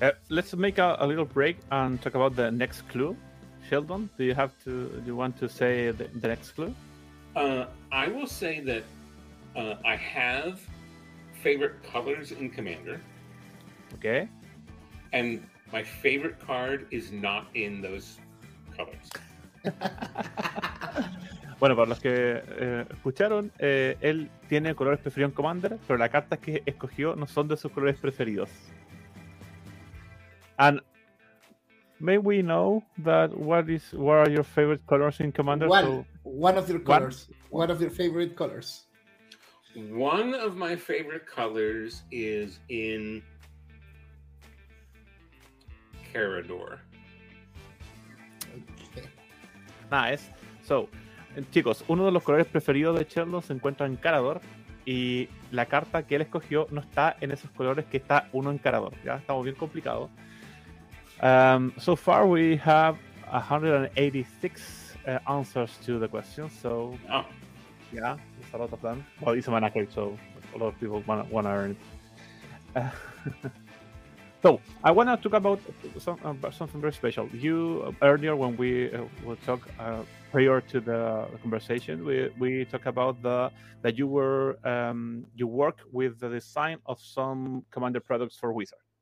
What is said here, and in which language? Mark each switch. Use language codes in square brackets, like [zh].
[en] Let's make a little break and talk about the next clue. Sheldon, do you want to say the next clue? I will say that I have favorite colors in Commander. Okay. And my favorite card is not in those colors. [es] Bueno, para los que escucharon, él tiene colores preferidos en Commander, pero las cartas que escogió no son de sus colores preferidos. [en] And may we know that what are your favorite colors in Commander? One of your favorite colors. One of my favorite colors is in Carador. Okay. Nice. [es] So, chicos, uno de los colores preferidos de Sheldon se encuentra en Carador, y la carta que él escogió no está en esos colores que está uno en Carador. Ya estamos bien complicados. [en] So far we have 186 answers to the question, so yeah, it's a lot of them. Well, it's a mana cave, so a lot of people want to earn it. So I want to talk about something very special. You earlier, when we were prior to the conversation, we talked about that you were you work with the design of some Commander products for Wizard.